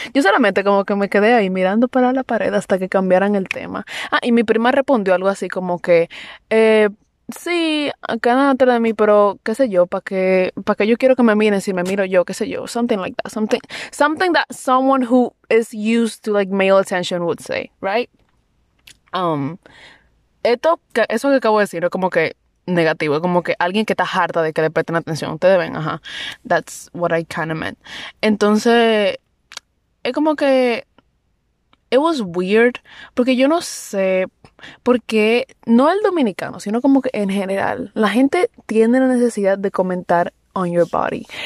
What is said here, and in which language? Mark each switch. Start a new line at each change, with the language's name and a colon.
Spanish: Yo solamente como que me quedé ahí mirando para la pared hasta que cambiaran el tema. Ah, y mi prima respondió algo así como que, sí, acá nada atrás de mí, pero qué sé yo, para que yo quiero que me miren si me miro yo, qué sé yo.
English: Something like that. Something that someone who is used to like male attention would say, right?
Spanish: Eso que acabo de decir es como que negativo, como que alguien que está harta de que le presten atención, ustedes ven, ajá.
English: That's what I kind of meant.
Spanish: Entonces, es como que,
English: it was weird,
Spanish: porque yo no sé por qué, no el dominicano, sino como que en general, la gente tiene la necesidad de comentar
English: on your body.